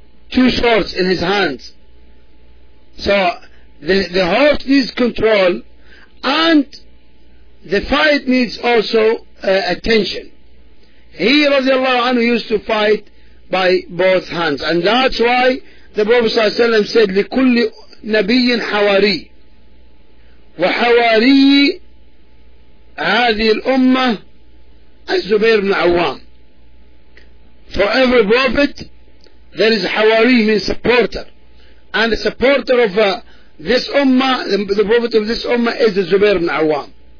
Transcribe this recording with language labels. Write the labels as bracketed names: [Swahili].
[English] Two swords in his hands. So the horse needs control, and the fight needs also attention. He, radiallahu anhu, used to fight by both hands. And that's why the Prophet [Arabic] صلى الله عليه وسلم [English] said, [Arabic] لِكُلِّ نَبِيٍ حَوَارِي وَحَوَارِي هَذِي الْأُمَّةِ الزبير بن عوام. [English] For every prophet, there is حواري, means supporter. And the supporter of this ummah, the prophet of this ummah, is the Zubair bin Awwam.